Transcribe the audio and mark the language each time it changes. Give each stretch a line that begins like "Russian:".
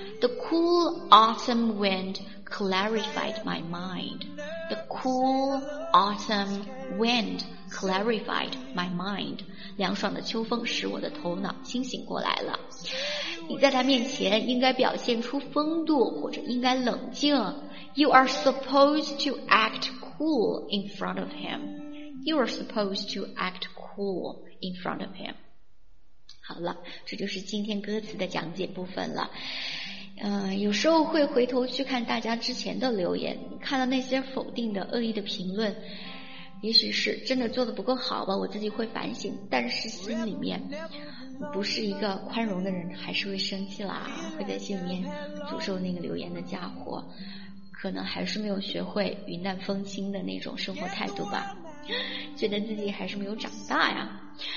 English: The cool autumn wind clarified my mind. The cool autumn wind clarified my mind.
Chinese: 凉爽的秋风使我的头脑清醒过来了。你在他面前应该表现出风度，或者应该冷静，
English: You are supposed to act cool in front of him. You are supposed to act cool in front of him.
Chinese: 好了，这就是今天歌词的讲解部分了。有时候会回头去看大家之前的留言，看到那些否定的、恶意的评论，也许是真的做得不够好吧，我自己会反省，但是心里面不是一个宽容的人，还是会生气啦，会在心里面诅咒那个留言的家伙，可能还是没有学会云淡风轻的那种生活态度吧，觉得自己还是没有长大呀。